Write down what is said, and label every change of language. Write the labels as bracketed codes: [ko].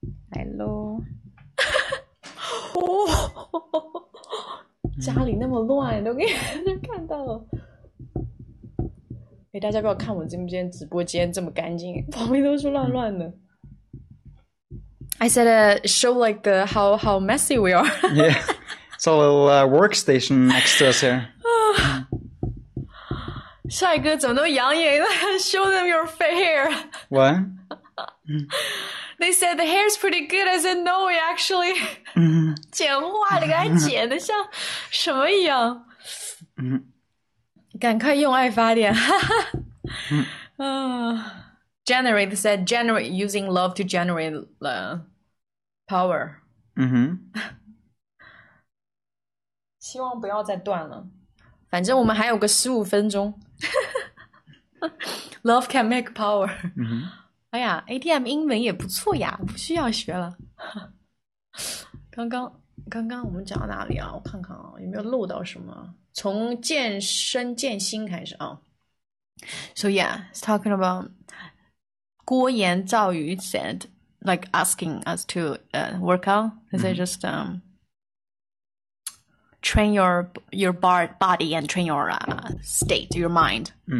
[zh] 来喽！家里那么乱，都给看到了。哎，大家不要看我今天直播间这么干净，旁边都是乱乱的。 [en] I said, show like the how messy we are. Yeah, it's a little workstation next to us here. [zh] 帅哥怎么都扬言了？ [en] Show them your fair hair. What? They They said the hair's pretty good. I said no, it actually [zh] 剪坏了，给它嗯，剪的像什么一样。嗯，赶快用爱发电，哈嗯， [en] 哈。Generate said generate using love to generate the power. [zh] 希望不要再断了，反正我们还有个15分钟。 [en] Love can make power。嗯哼，嗯哼。 [zh] 哎呀，ATM 英文也不错呀，不需要学了。刚刚我们讲到哪里啊？我看看啊，有没有漏到什么？从健身健心开始啊。 [en] So yeah, it's talking about 郭言赵宇 said like asking us to work out. Is it just train your body and train your state, your mind?